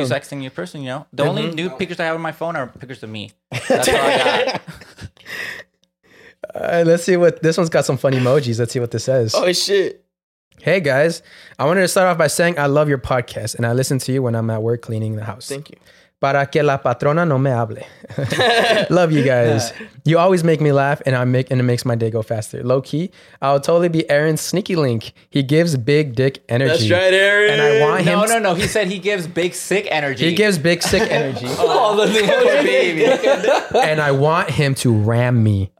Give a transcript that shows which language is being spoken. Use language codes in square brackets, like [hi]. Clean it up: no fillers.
[en] You sexting your person, you know? The only nude pictures I have on my phone are pictures of me. That's all I got. All right, let's see what, this one's got some funny emojis. Let's see what this says. Oh, shit. Hey, guys. I wanted to start off by saying I love your podcast, and I listen to you when I'm at work cleaning the house. Thank you. [es] Para que la patrona no me hable. [en] Love you guys. You always make me laugh and it makes my day go faster. Low key, I'll totally be Aaron's sneaky link. He gives big dick energy. That's right, Aaron. And I want him. No. He said he gives big sick energy. He gives big sick energy. Oh, the baby. And I want him to ram me.